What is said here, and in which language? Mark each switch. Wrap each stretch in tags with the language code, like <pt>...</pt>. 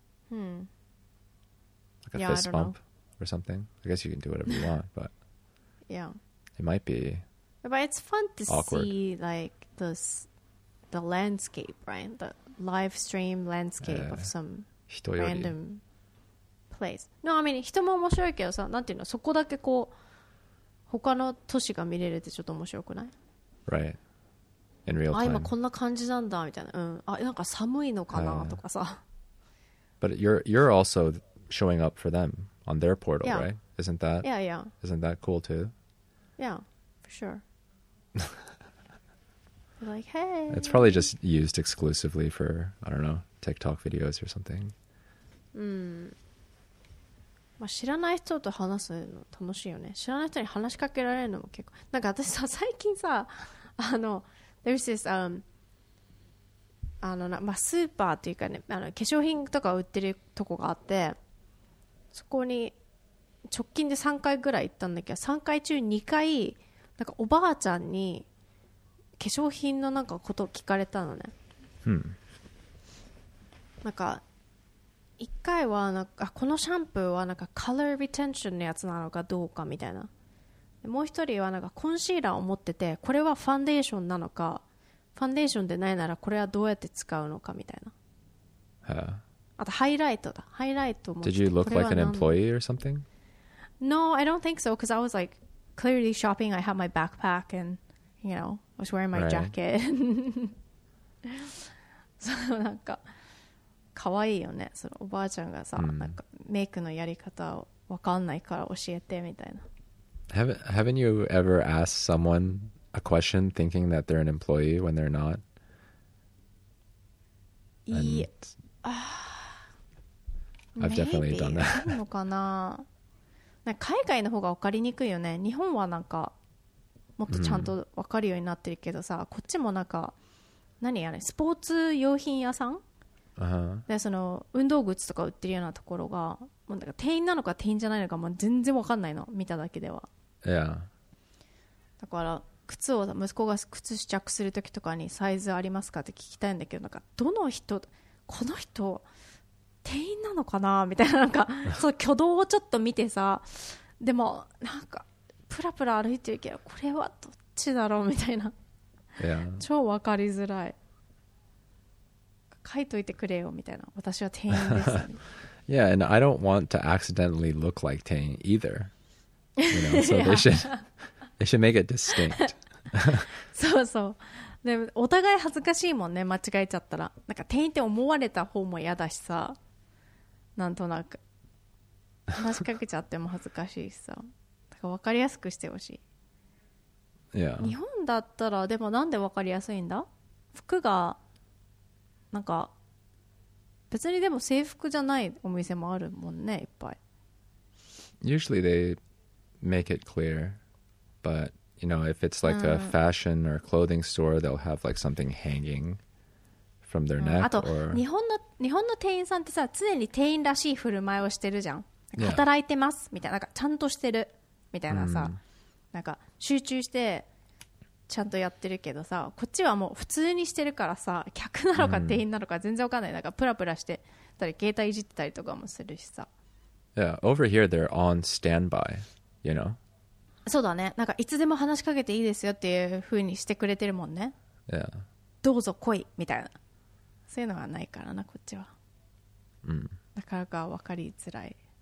<en>Like a fist bump or something. I guess you can do whatever you want, but yeah, it might be. But it's fun to see like the landscape, right? The live stream landscape of some random place. No, I mean,</en> <ja>人も面白いけどさ、なんていうの、そこだけこう他の都市が見れるってちょっと面白くない？</ja> <en>Right. In real time.</en> <ja>あ、今こんな感じなんだみたいな。うん。あ、なんか寒いのかなとかさ。</ja> <en>But you're also showing up for them on their portal, right? Isn't that? Yeah, yeah. Isn't that cool too? Yeah, for sure. Like, hey. It's probably just used exclusively for, I don't know, TikTok videos or something.</en> <ja>まあ、知らない人と話すの楽しいよね。知らない人に話しかけられるのも結構。なんか私さ、最近さ、あの、</ja> <en>there's this,</en> <ja>あのな、まあ、スーパーというかね、あの化粧品とか売ってるとこがあって、そこに直近で3回ぐらい行ったんだけど、3回中2回、なんかおばあちゃんに化粧品のなんかことを聞かれたのね。なんか、一回はなんかこのシャンプーはなんかカラーリテンションのやつなのかどうかみたいな、もう一人はなんかコンシーラーを持ってて、これはファンデーションなのか、ファンデーションでないならこれはどうやって使うのかみたいな、あとハイライトだ、ハイライトも。</ja> <en>Did you look like an employee or something? No, I don't think so, because I was like clearly shopping. I had my backpack and you know, I was wearing my jacket.</en> <ja>そのなんか可愛いよね。そのおばあちゃんがさ、なんかメイクのやり方を分かんないから教えてみたいな。</ja> <en>Haven't you ever asked someone a question thinking that they're an employee when they're not? I've definitely done that.</en> <ja>のかな。なんか海外の方が分かりにくいよね。日本はなんかもっとちゃんと分かるようになってるけどさ、こっちもなんか何やね、スポーツ用品屋さん。</ja> <en>Uh-huh.</en> <ja>でその運動靴とか売ってるようなところが、もうなんか店員なのか店員じゃないのかもう全然わかんないの、見ただけでは。いや。だから靴を息子が靴試着するときとかにサイズありますかって聞きたいんだけど、なんかどの人、この人店員なのかなみたいな、なんかその挙動をちょっと見てさ、でもなんかプラプラ歩いてるけどこれはどっちだろうみたいな。いや。超わかりづらい。書いといてくれよみたいな。私は店員です。</ja> <en>Yeah, and I don't want to accidentally look like 店員 either. You know, so they should make it distinct.</en> <ja>そうそう。でお互い恥ずかしいもんね、間違えちゃったら。なんか店員って思われた方も嫌だしさ。なんとなく話しかけちゃっても恥ずかしいしさ。だから分かりやすくしてほしい。</ja> <en>Yeah.</en> <ja>日本だったらでもなんで分かりやすいんだ？服がなんか別にでも制服じゃないお店もあるもんね、いっぱい。</ja> <en>Usually they make it clear, but you know, if it's like a fashion or clothing store, they'll have like something hanging from their neck.</en> <ja>あと日本の店員さんってさ、常に店員らしい振る舞いをしてるじゃん。働いてますみたいな、なんかちゃんとしてるみたいなさ、なんか集中して。ちゃんとやってるけどさ、こっちはもう普通にしてるからさ、客なのか店員なのか全然わかんない。なんかプラプラしてたり、携帯いじってたりとかもするしさ。</ja> <en>Yeah, over here they're on standby, you know?</en> <ja>そうだね。なんかいつでも話しかけていいですよっていう風にしてくれてるもんね。</ja> <en>Yeah.</en> <ja>どうぞ来いみたいな。そういうのがないからな、こっちは。なかなかわかりづらい。</ja>